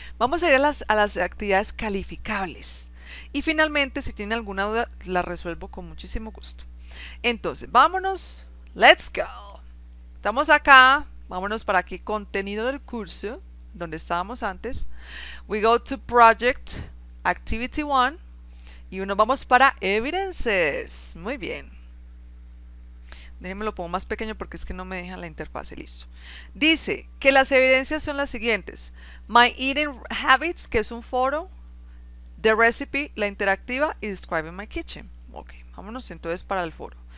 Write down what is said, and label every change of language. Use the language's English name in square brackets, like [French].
[Spanish] Vamos a ir a las actividades calificables. Y finalmente, si tiene alguna duda, la resuelvo con muchísimo gusto. Entonces, vámonos. [English] Let's go. [Spanish] Estamos acá. Vámonos para aquí. Contenido del curso, donde estábamos antes. [English] We go to project activity 1. [Spanish] Y nos vamos para evidences. Muy bien. Déjenme lo pongo más pequeño porque es que no me deja la interfaz. Listo. Dice que las evidencias son las siguientes. My eating habits, que es un foro. The recipe, la interactiva, y describe my kitchen. Ok, vámonos entonces para el foro.